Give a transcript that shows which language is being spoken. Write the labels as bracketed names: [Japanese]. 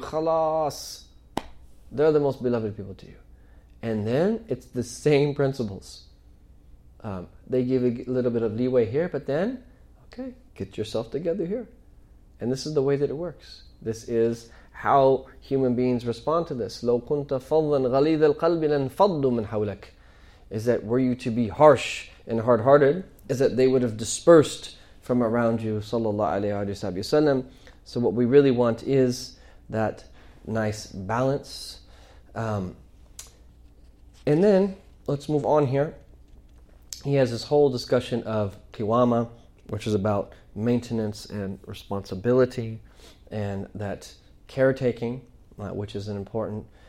[English] Khalas. They're the most beloved people to you. And then it's the same principles. They give a little bit of leeway here, but then, okay, get yourself together here. And this is the way that it works. This is how human beings respond to this. [Arabic] لو كنت فظا غليظ القلب لانفضوا من حولك. [English] Is that were you to be harsh and hard-hearted, is that they would have dispersed from around you, sallallahu alayhi wa sallam. So what we really want is that nice balance. And then, let's move on here. He has this whole discussion of qiwama, which is about maintenance and responsibility, and that caretaking, which is an important.